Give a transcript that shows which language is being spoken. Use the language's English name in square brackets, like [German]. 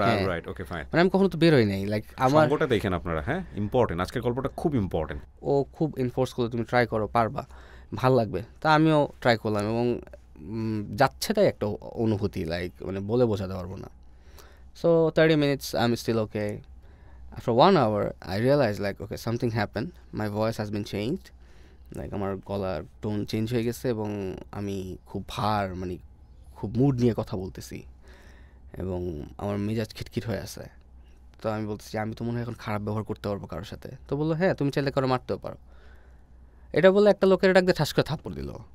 [English] right, okay fine, [Bangla] মানে আমি কখনো তো বেরোই নাই, লাইক আমার গোটা দেখেন আপনারা, হ্যাঁ ইম্পর্টেন্ট, আজকের গল্পটা খুব ইম্পর্টেন্ট, ও খুব ইনফোর্স করে, তুমি ট্রাই করো পারবা, ভাল লাগবে। তা আমিও ট্রাই করলাম এবং যাচ্ছেটাই একটা অনুভূতি, লাইক মানে বলে বোঝাতে পারবো না। [English] So 30 minutes I am still okay. After 1 hour, I realized like, okay, something happened. My voice has been changed. [Bangla] Like, আমার গলার টোন চেঞ্জ হয়ে গেছে এবং আমি খুব ভার, মানে খুব মুড নিয়ে কথা বলতেছি এবং আমার মেজাজ খিটখিট হয়ে আছে। তো আমি বলতেছি আমি তো মনে হয় এখন খারাপ ব্যবহার করতে পারবো কারোর সাথে। তো বললো হ্যাঁ তুমি চাইলে কারো মারতেও পারো। এটা বলে একটা লোকের ডাকতে ঠাস করে থাপ্পড় দিল